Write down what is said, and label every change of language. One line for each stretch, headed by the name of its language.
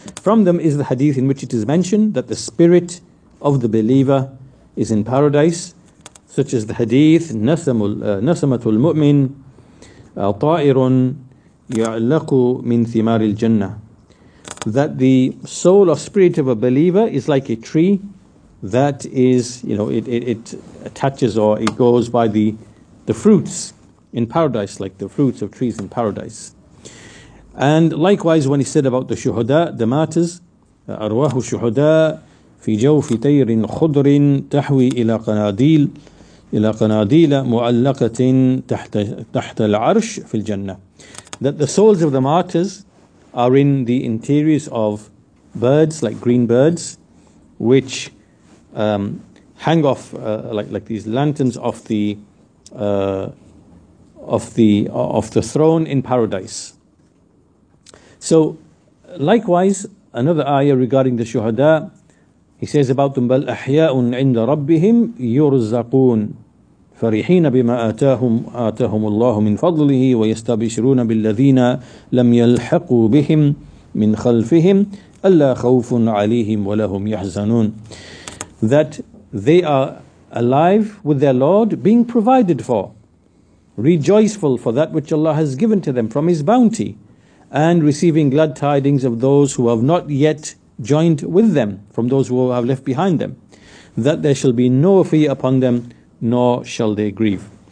English: From them is the hadith in which it is mentioned that the spirit of the believer is in paradise, such as the hadith
Arabic: nasamatul mu'min ta'irun ya'laqu min thimaril jannah,
English: that the soul or spirit of a believer is like a tree that is, you know, it attaches or it goes by the fruits in paradise, like the fruits of trees in paradise. And likewise, when he said about the shuhada, the martyrs,
Arabic: أرواح الشهداء في جوف طير خضر تحوي إلى قناديل إلى قناديل معلقة تحت العرش في الجنة.
English: That the souls of the martyrs are in the interiors of birds, like green birds, which hang off like these lanterns off the of the throne in paradise. So, likewise, another ayah regarding the shuhada, he says about them,
Arabic: بَلْ أَحْيَاءٌ عِنْدَ رَبِّهِمْ يُرْزَقُونَ فَرِحِينَ بِمَا آتَاهُمُ اللَّهُ مِنْ فَضْلِهِ وَيَسْتَبِشْرُونَ بِالَّذِينَ لَمْ يَلْحَقُوا بِهِمْ مِنْ خَلْفِهِمْ أَلَّا خَوْفٌ عَلِيهِمْ وَلَهُمْ يَحْزَنُونَ.
English: That they are alive with their Lord, being provided for, rejoiceful for that which Allah has given to them from His bounty, and receiving glad tidings of those who have not yet joined with them, from those who have left behind them, that there shall be no fear upon them, nor shall they grieve.